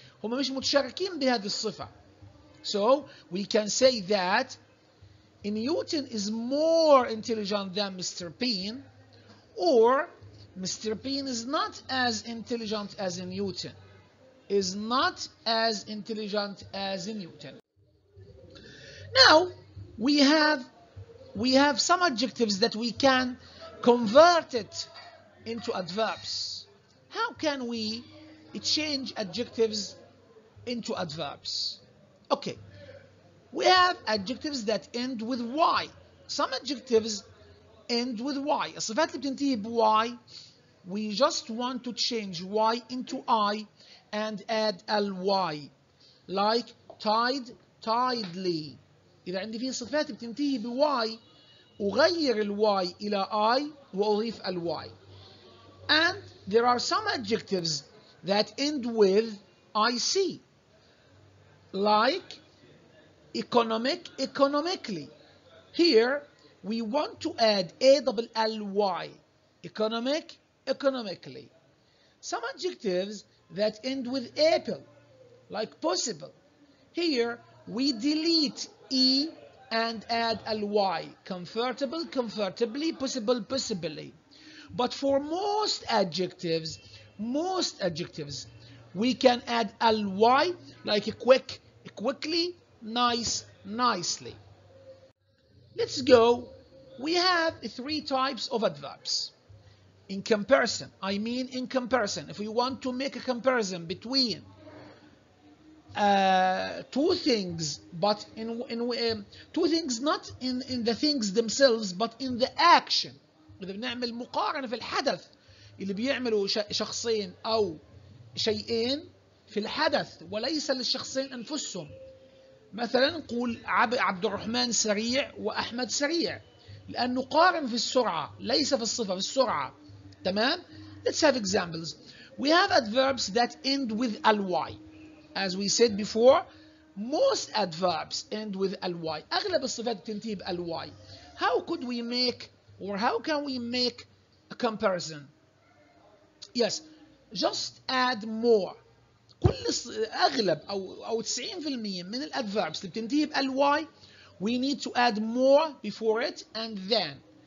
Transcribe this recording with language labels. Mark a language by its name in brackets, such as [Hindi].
[Arabic] هم مش متشاركين بهذه الصفة. [English] So we can say that Newton is more intelligent than Mr. Bean, or Mr. Bean is not as intelligent as Newton. Is not as intelligent as Newton. Now we have some adjectives that we can convert it into adverbs. How can we change adjectives into adverbs? Okay, we have adjectives that end with Y. Some adjectives end with Y. [Arabic] الصفات اللي بتنتهي بY, [English] we just want to change Y into I and add ly, like tied, tidly. [Arabic] إذا عندي فيه صفات بتنتهي بY أغير الY إلى I وأضيف ly. [English] And there are some adjectives that end with IC, like economic, economically. Here, we want to add ally, economic, economically. Some adjectives that end with apple, like possible. Here, we delete E and add ly, comfortable, comfortably, possible, possibly. But for most adjectives, we can add ly, like quick, quickly, nice, nicely. Let's go. We have three types of adverbs. In comparison, if we want to make a comparison between two things not in the things themselves, but in the action. [Arabic] إذا بنعمل مقارنة في الحدث اللي بيعمله شخصين أو شيئين في الحدث وليس للشخصين أنفسهم. مثلا نقول عبد الرحمن سريع وأحمد سريع، لأنه قارن في السرعة ليس في الصفة، في السرعة. تمام؟ [English] Let's have examples. We have adverbs that end with ly. As we said before, most adverbs end with ly. [Arabic] أغلب الصفات تنتهي بly. [English] How could we make or how can we make a comparison? Yes, just add more. [Arabic] كل أغلب أو 90% من الأدفيربس اللي بتنتهي بالY, [English] we need to add more before it and then.